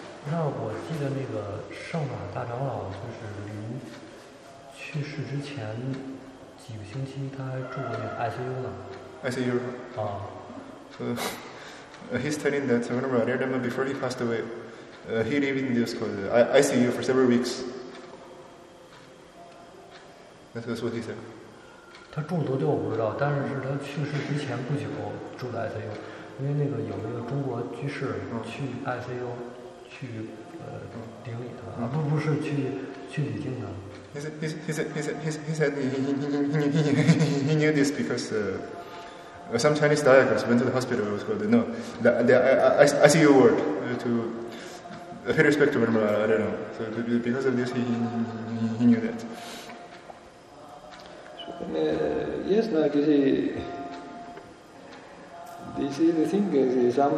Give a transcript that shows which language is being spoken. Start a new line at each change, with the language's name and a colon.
Chinese: 那我记得那个上马大长老就是临去世之前。几个星期，他还住过那个 ICU 呢。 ICU 啊。
English: So he's telling that whenever Arya Dhamma before he passed away, he lived in this called ICU for several weeks. That's what he said.
Chinese: 他住多久我不知道，但是他去世之前不久住在 ICU， 因为那个有那个中国居士去 ICU 去顶礼他，而不是去礼敬他。
English: He said he knew this because some Chinese doctors went to the hospital. Was called no, the ICU ward to pay respect to Venerable Arya Dhamma. So because of this, he knew that. So, yes, now you see, this is the thing.